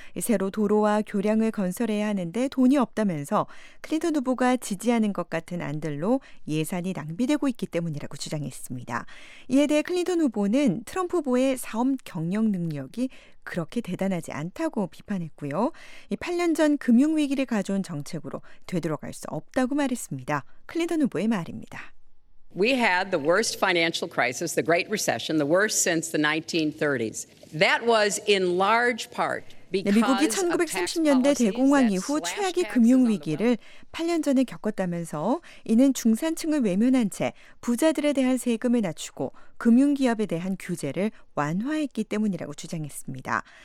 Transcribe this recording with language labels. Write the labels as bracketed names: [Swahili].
[Korean] 새로 도로와 교량을 건설해야 하는데 돈이 없다면서 클린턴 후보가 지지하는 것 같은 안들로 예산이 낭비되고 있기 때문이라고 주장했습니다. 이에 대해 클린턴 후보는 트럼프 후보의 사업 경영 능력이 그렇게 대단하지 않다고 비판했고요. 8년 전 금융위기를 가져온 정책으로 되돌아갈 수 없다고 말했습니다. 클린턴 후보의 말입니다. [English] We had the worst financial crisis, the Great Recession, the worst since the 1930s. That was in large part because [Korean] 네, 미국이 1930년대 대공황 이후 최악의 금융위기를 8년 전에 겪었다면서 이는 중산층을 외면한 채 부자들에 대한 세금을 낮추고 금융기업에 대한 규제를 완화했기 때문이라고 주장했습니다.